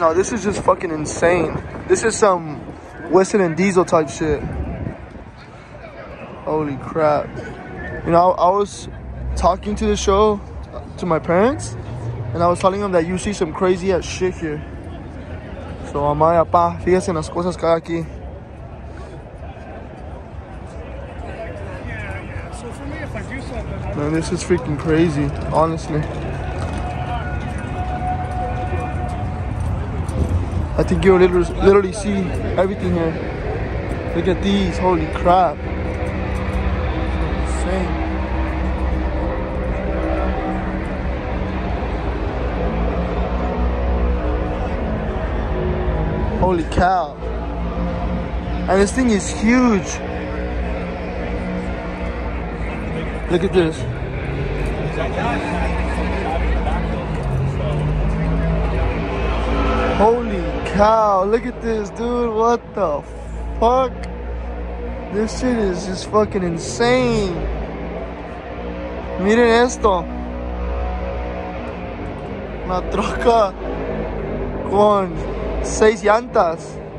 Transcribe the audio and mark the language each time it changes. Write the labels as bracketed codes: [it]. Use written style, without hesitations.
[en] Now, this is just fucking insane. This is some Wesson and Diesel type shit. Holy crap. You know, I was talking to the show to my parents, and I was telling them that you see some crazy ass shit here. So, [es] mamá y papá, fíjense en las cosas que hay aquí. [en] Man, this is freaking crazy, honestly. I think you'll literally see everything here. Look at these, holy crap. Holy cow. And this thing is huge. Look at this. Holy cow, look at this, dude. What the fuck? This shit is just fucking insane. [es] Miren esto. Una troca con seis llantas.